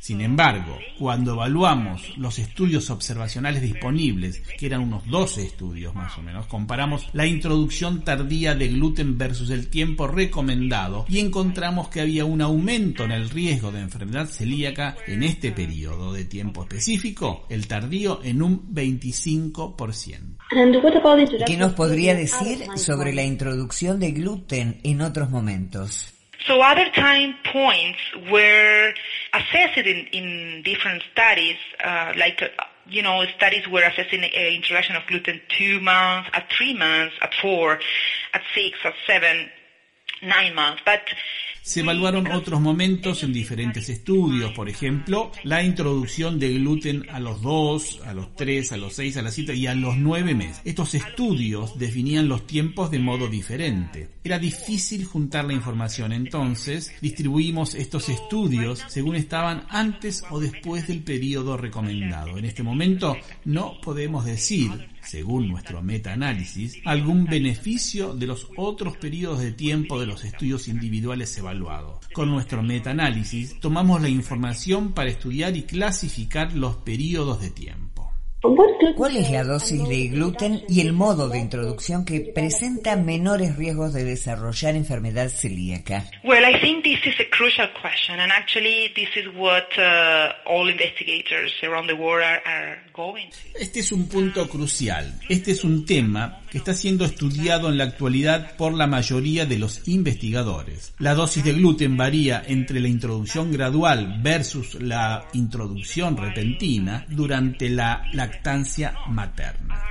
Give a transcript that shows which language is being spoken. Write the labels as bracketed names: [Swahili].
[Spanish] Sin embargo, cuando evaluamos los estudios observacionales disponibles, que eran unos 12 estudios más o menos, comparamos la introducción tardía de gluten versus el tiempo recomendado y encontramos que había un aumento en el riesgo de enfermedad celíaca en este periodo de tiempo específico, el tardío, en un 25%. ¿Qué nos podría decir sobre la introducción de gluten en otros momentos? [English] So other time points were assessed in different studies, like, you know, studies were assessing the introduction of gluten 2 months, at 3 months, at 4, at 6, at 7, 9 months, but [Spanish] se evaluaron otros momentos en diferentes estudios, por ejemplo, la introducción de gluten a los 2, a los 3, a los 6, a las 7 y a los 9 meses. Estos estudios definían los tiempos de modo diferente. Era difícil juntar la información, entonces distribuimos estos estudios según estaban antes o después del periodo recomendado. En este momento no podemos decir, según nuestro meta-análisis, algún beneficio de los otros periodos de tiempo de los estudios individuales evaluados. Con nuestro meta-análisis, tomamos la información para estudiar y clasificar los periodos de tiempo. ¿Cuál es la dosis de gluten y el modo de introducción que presenta menores riesgos de desarrollar enfermedad celíaca? [English] Well, I think this is a crucial question, and actually this is what all investigators around the world are going to. [Spanish] Este es un punto crucial. Este es un tema que está siendo estudiado en la actualidad por la mayoría de los investigadores. La dosis de gluten varía entre la introducción gradual versus la introducción repentina durante la lactancia materna.